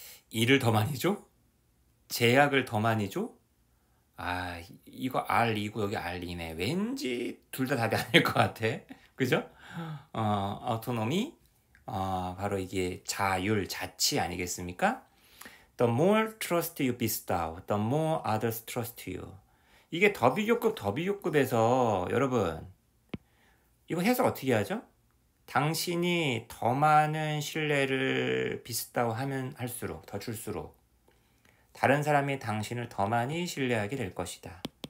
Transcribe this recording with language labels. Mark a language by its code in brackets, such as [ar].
[ko] 일을 더 많이 줘? 제약을 더 많이 줘? 아, 이거 R이고 여기 R이네. 왠지 둘 다 답이 아닐 것 같아. 그죠? 아우토노미? 바로 이게 자율, 자치 아니겠습니까? [en] The more trust you bestow, the more others trust you. [ko] 이게 W교급, W교급에서 여러분 이거 해석 어떻게 하죠? 당신이 더 많은 신뢰를 bestow 하면 할수록, 더 줄수록 다른 사람이 당신을 더 많이 신뢰하게 될 것이다.